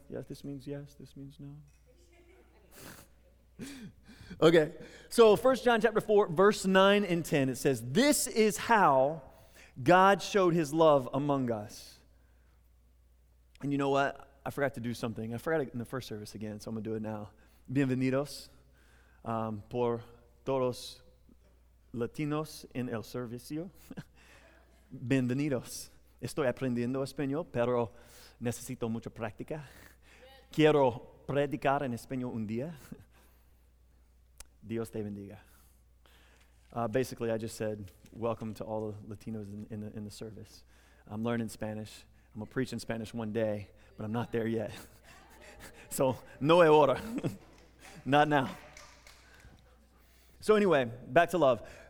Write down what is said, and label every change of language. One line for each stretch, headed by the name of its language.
English: Yes, this means yes, this means no. Okay, so 1 John chapter 4, verse 9 and 10, it says, "This is how God showed his love among us." And you know what? I forgot to do something. I forgot it in the first service again, so I'm going to do it now.
Spanish: Bienvenidos por todos Latinos en el servicio. Bienvenidos. Estoy aprendiendo español, pero necesito mucha práctica. Quiero predicar en español un día. Dios te bendiga.
English: Basically, I just said welcome to all the Latinos in the service. I'm learning Spanish. I'm going to preach in Spanish one day, but I'm not there yet. So,
Spanish: no es hora.
English: Not now. So anyway, back to love.